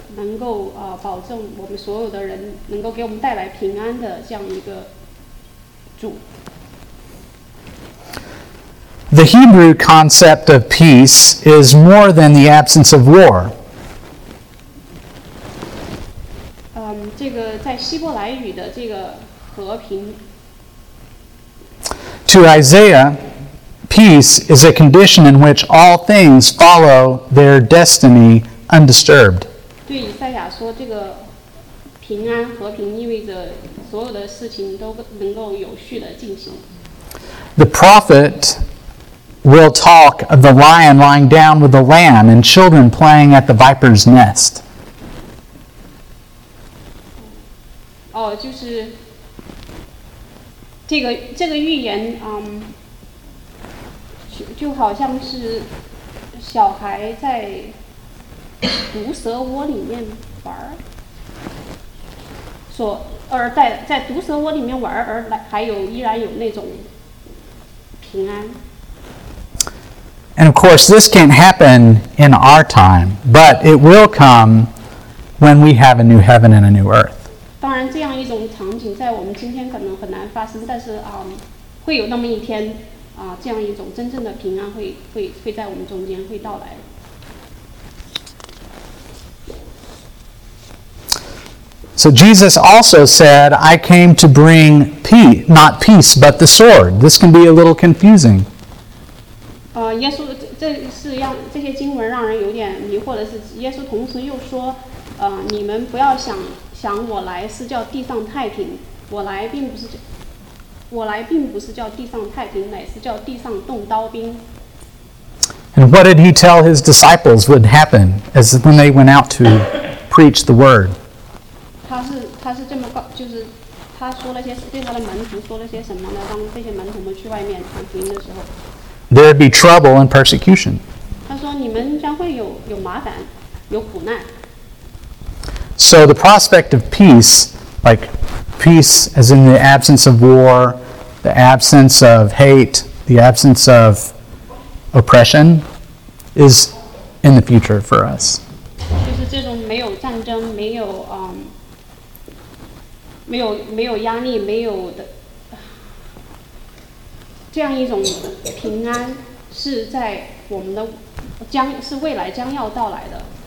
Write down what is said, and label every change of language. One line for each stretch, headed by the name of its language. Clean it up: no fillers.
Chinese: 能够保证我们所有的人能够给我们带来平安的这样一个主。
English: The Hebrew concept of peace is more than the absence of war.
Chinese: 这个在希伯来语的这个和平。
English: To Isaiah, peace is a condition in which all things follow their destiny undisturbed.
Chinese: 对以赛亚说这个平安和平意味着所有的事情都能够有序的进行。
English: The prophet will talk of the lion lying down with the lamb and children playing at the viper's nest.
Chinese: 哦，就是这个预言，就好像是小孩在毒蛇窝里面玩儿，在毒蛇窝里面玩儿，依然有那种平安。
English: And of course, this can't happen in our time, but it will come when we have a new heaven and a new earth.
Chinese: 当然，这样一种场景在我们今天可能很难发生，但是啊，会有那么一天。这样一种真正的平安会在我们中间会到来。
English: So Jesus also said, I came to bring peace, not peace, but the sword. This can be a little confusing.
Chinese: 耶稣 这些经文让人有点迷惑的是，耶稣同时又说，你们不要想我来是叫地上太平，我来并不是叫地上太平，乃是叫地上动刀兵。
English: And what did he tell his disciples would happen as when they went out to preach the word?
Chinese: 他是这么告，就是他说了些对他的门徒说了些什么呢？当这些门徒们去外面传福音的时候
English: ，There would be trouble and persecution.
Chinese: 他说你们将会有麻烦，有苦难。
English: So the prospect of peace, like. Peace as in the absence of war, the absence of hate, the absence of oppression is in the future for us.
Chinese: 就是这种没有战争，没有没有压力，没有的这样一种平安是在我们的将是未来将要到来的。